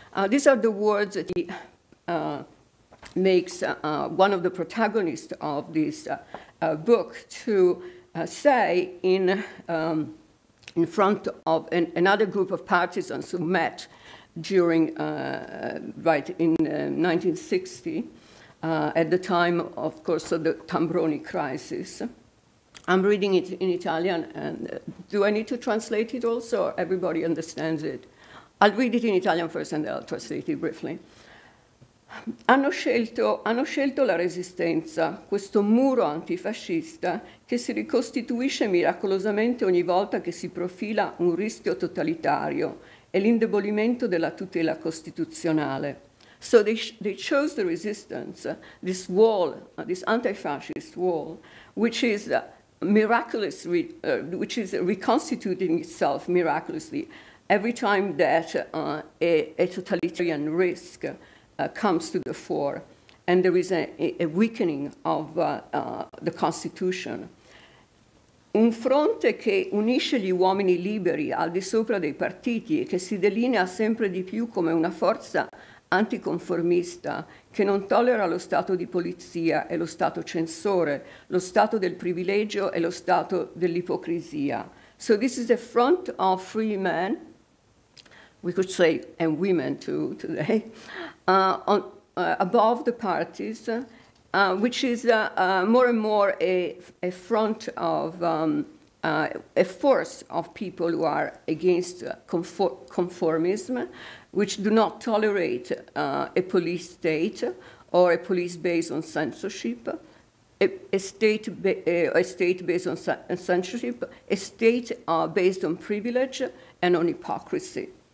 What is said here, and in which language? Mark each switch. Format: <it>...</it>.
<en>These are the words that he makes one of the protagonists of this book to say in front of another group of partisans who met during, right in 1960, at the time, of course, of the Tambroni crisis. I'm reading it in Italian, and do I need to translate it also, or everybody understands it? I'll read it in Italian first, and then I'll translate it briefly.</en> <it>Hanno scelto la resistenza, questo muro antifascista che si ricostituisce miracolosamente ogni volta che si profila un rischio totalitario e l'indebolimento della tutela costituzionale.</it> <en>So they chose the resistance, this wall, this anti-fascist wall, which is miraculously, which is reconstituting itself miraculously every time that a totalitarian risk comes to the fore, and there is a weakening of the Constitution.</en> <it>Un fronte che unisce gli uomini liberi al di sopra dei partiti e che si delinea sempre di più come una forza anticonformista che non tollera lo stato di polizia e lo stato censore, lo stato del privilegio e lo stato dell'ipocrisia.</it> <en>So this is a front of free men, we could say, and women too today, above the parties, which is more and more a front of a force of people who are against conformism, which do not tolerate a police state or a police based on censorship, based on privilege and on hypocrisy.</en>